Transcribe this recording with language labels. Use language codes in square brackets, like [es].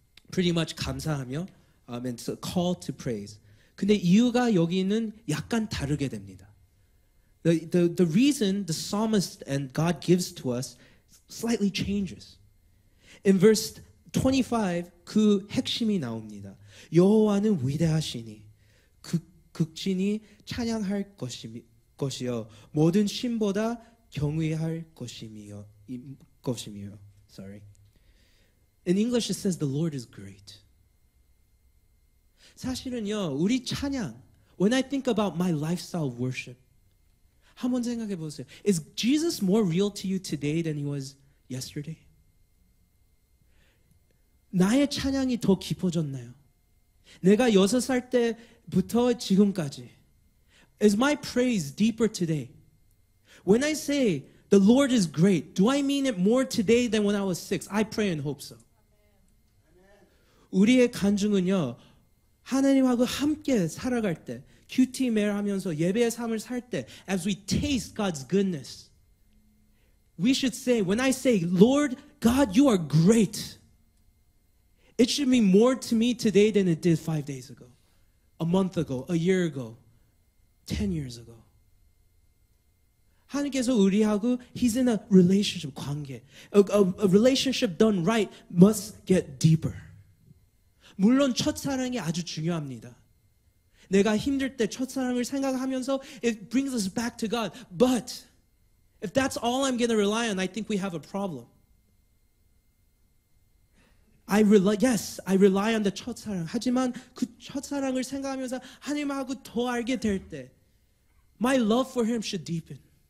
[en] Pretty much 감사하며, it's a call to praise. [ko] 근데 이유가 여기는 약간 다르게 됩니다. [en] The reason the psalmist and God gives to us slightly changes. In verse 25, [ko] 그 핵심이 나옵니다. 여호와는 위대하시니 극진히 찬양할 것이요 모든 신보다 경외할 것이며. [en] Sorry. In English, it says the Lord is great. [ko] 사실은요, 우리 찬양. [en] When I think about my lifestyle worship, [ko] 한번 생각해 보세요. [en] Is Jesus more real to you today than he was yesterday? [ko] 나의 찬양이 더 깊어졌나요? 내가 여섯 살 때부터 지금까지. [en] Is my praise deeper today? When I say the Lord is great, do I mean it more today than when I was six? I pray and hope so. [ko] 우리의 간증은요, 하나님하고 함께 살아갈 때, QT 매일 하면서 예배의 삶을 살 때, [en] as we taste God's goodness, we should say, when I say, Lord God, you are great, it should mean more to me today than it did 5 days ago, a month ago, a year ago, 10 years ago. [ko] 하나님께서 우리하고, [en] he's in a relationship, [ko] 관계. [en] A relationship done right must get deeper. [ko] 물론 첫사랑이 아주 중요합니다. 내가 힘들 때 첫사랑을 생각하면서 [en] it brings us back to God. But if that's all I'm going to rely on, I think we have a problem. I rely on the [ko] 첫사랑. 하지만 그 첫사랑을 생각하면서 하나님하고 더 알게 될 때 [en] my love for him should deepen.